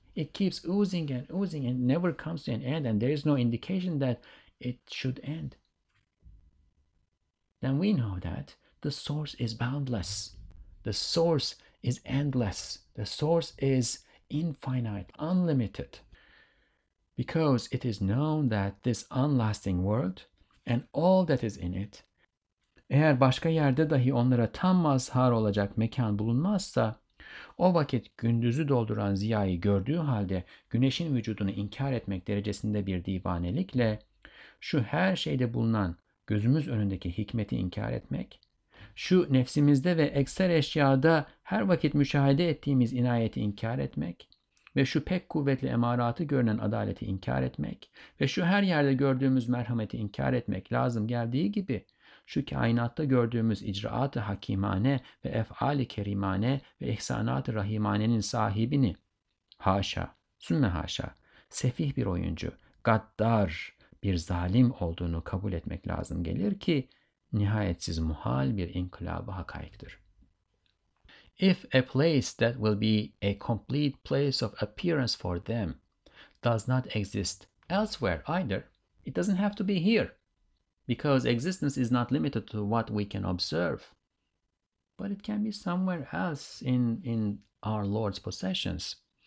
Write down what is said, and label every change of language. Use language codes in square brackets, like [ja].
[en] It keeps oozing and never comes to an end, and there is no indication that it should end. Then we know that the source is boundless. The source is endless. The source is infinite, unlimited. Because it is known that this unlasting world and all that is in it, [tr] eğer başka yerde dahi onlara tam mazhar olacak mekan bulunmazsa, o vakit gündüzü dolduran ziyayı gördüğü halde güneşin vücudunu inkar etmek derecesinde bir divanelikle, şu her şeyde bulunan gözümüz önündeki hikmeti inkar etmek, şu nefsimizde ve ekser eşyada her vakit müşahede ettiğimiz inayeti inkar etmek, ve şu pek kuvvetli emaratı görünen adaleti inkar etmek ve şu her yerde gördüğümüz merhameti inkar etmek lazım geldiği gibi şu kainatta gördüğümüz icraat-ı hakimane ve ef'al-i kerimane ve ihsanat-ı rahimanenin sahibini haşa, sümme haşa, sefih bir oyuncu, gaddar bir zalim olduğunu kabul etmek lazım gelir ki nihayetsiz muhal bir inkılab-ı hakaiktir. [en] If a place that will be a complete place of appearance for them does not exist elsewhere either, it doesn't have to be here, because existence is not limited to what we can observe. But it can be somewhere else in our Lord's possessions.